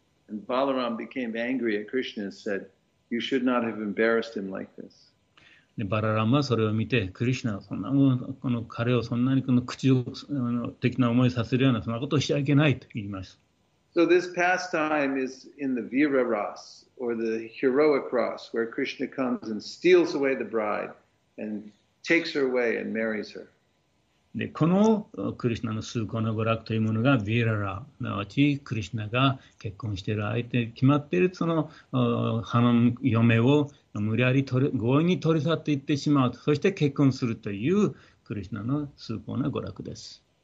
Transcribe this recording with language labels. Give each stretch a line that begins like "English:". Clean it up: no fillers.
English: And Balaram became angry at Krishna and said, You should not have embarrassed him like this.
Japanese: で、バララマはそれを見て、クリシナはそんなこの彼をそんなにこの屈辱的な思いさせるような、そんなことをしちゃいけないと言います。
English: So this pastime is in the Vira Ras, or the heroic Ras, where Krishna comes and steals away the bride and takes her away and marries her.
Japanese: で、このクリシナの崇高な娯楽というものがヴィララ、なわちクリシナが結婚している相手に決まっているその花の嫁を無理やり強引に取り去っていってしまう、そして結婚するというクリシナの崇高な娯楽です。